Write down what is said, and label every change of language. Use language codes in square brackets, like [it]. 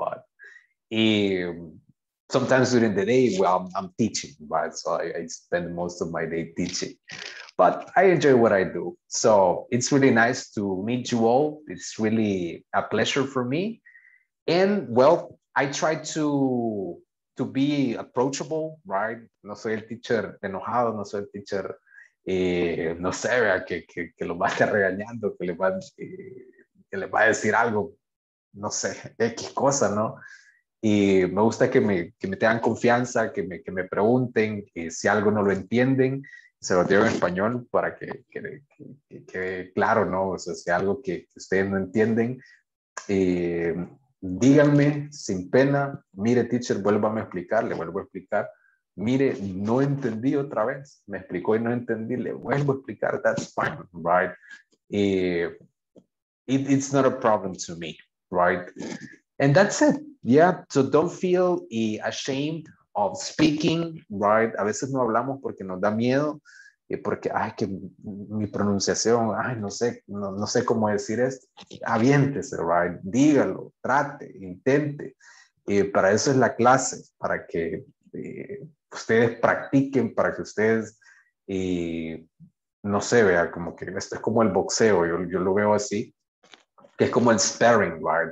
[en] But sometimes during the day, well, I'm teaching, right? So I spend most of my day teaching. But I enjoy what I do. So it's really nice to meet you all. It's really a pleasure for me. And well, I try to be approachable, right? [es] No soy el teacher enojado, no soy el teacher, no sé, que lo va a estar regañando, que le va a decir algo, no sé, X cosa, ¿no? Y me gusta que me tengan confianza, que me pregunten, que si algo no lo entienden, se lo digo en español para que quede claro, ¿no? O sea, si algo que ustedes no entienden, díganme sin pena, mire, teacher, vuélvame a explicar, le vuelvo a explicar. Mire, no entendí otra vez, me explicó y no entendí, le vuelvo a explicar, [en] that's fine, right? It's not a problem to me, right? And that's it, yeah, so don't feel ashamed of speaking, right? [es] A veces no hablamos porque nos da miedo, porque, ay, que mi pronunciación, ay, no sé cómo decir esto. Aviéntese, right? Dígalo, trate, intente. Para eso es la clase, para que ustedes practiquen, para que ustedes, no sé, vea, como que esto es como el boxeo, yo lo veo así, que es como el sparring, right?